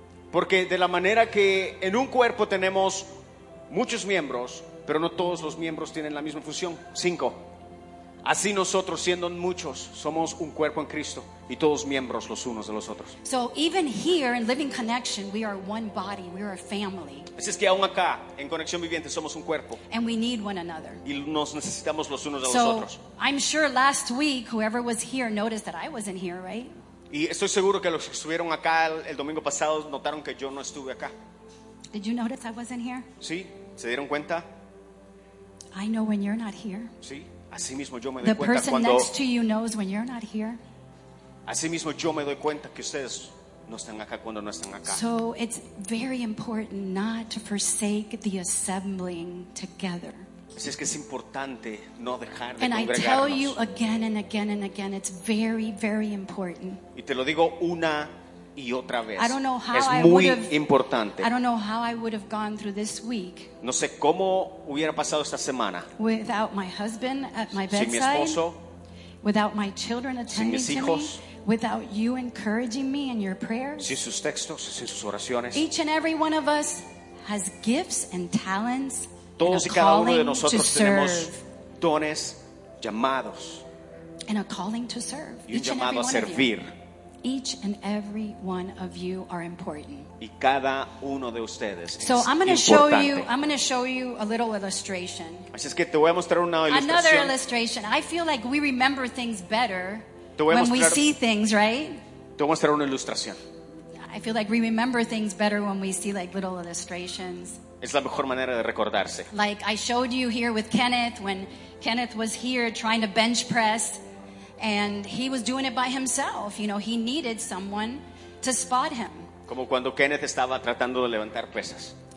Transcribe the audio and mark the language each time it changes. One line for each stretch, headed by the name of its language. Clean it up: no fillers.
Spanish: Porque de la manera que en un cuerpo tenemos muchos miembros, pero no todos los miembros tienen la misma función. 5. Así nosotros, siendo muchos, somos un cuerpo en Cristo y todos miembros los unos de los otros.
English: So even here in Living Connection, we are one body, we are a family.
Spanish: Así es que aún acá, en Conexión Viviente, somos un cuerpo.
English: And we need one another.
Spanish: Y nos necesitamos los unos de los otros.
English: So I'm sure last week, whoever was here noticed that I wasn't here, right?
Spanish: Y estoy seguro que los que estuvieron acá el domingo pasado notaron que yo no estuve acá.
English: Did you notice I wasn't here?
Spanish: Sí, ¿se dieron cuenta?
English: I know when you're not here.
Spanish: Sí, así mismo yo me
English: the
Spanish: doy cuenta cuando...
English: The person next to you knows when you're not here.
Spanish: Así mismo yo me doy cuenta que ustedes no están acá cuando no están acá.
English: So it's very important not to forsake the assembling together.
Spanish: Así es que es importante no dejar de
English: and I tell you again and again and again, it's very, very important.
Spanish: Y te lo digo una y otra vez.
English: I don't know how
Spanish: es muy
English: I would have,
Spanish: importante.
English: I don't know how I would have gone through this week.
Spanish: No sé cómo hubiera pasado esta semana.
English: Without my husband at my bedside.
Spanish: Sin mi esposo.
English: Without my children attending
Spanish: sin mis hijos,
English: to me. Without you encouraging me in your prayers.
Spanish: Sin sus textos, sin sus oraciones.
English: Each and every one of us has gifts and talents.
Spanish: Todos y cada uno de nosotros tenemos dones, llamados.
English: And a calling to serve.
Spanish: Y un llamado a servir.
English: Each and every one of you are important.
Spanish: Y cada uno de ustedes es importante.
English: So I'm going to show you, a little illustration.
Spanish: Así es que te voy a mostrar una ilustración.
English: Another illustration. I feel like we remember things better when we see things, right?
Spanish: Te voy a mostrar una ilustración.
English: I feel like we remember things better when we see like little illustrations.
Spanish: Es la mejor manera de recordarse.
English: Like I showed you here with Kenneth when Kenneth was here trying to bench press and he was doing it by himself, you know, he needed someone to spot him.
Spanish: Como cuando Kenneth estaba tratando de levantar pesas.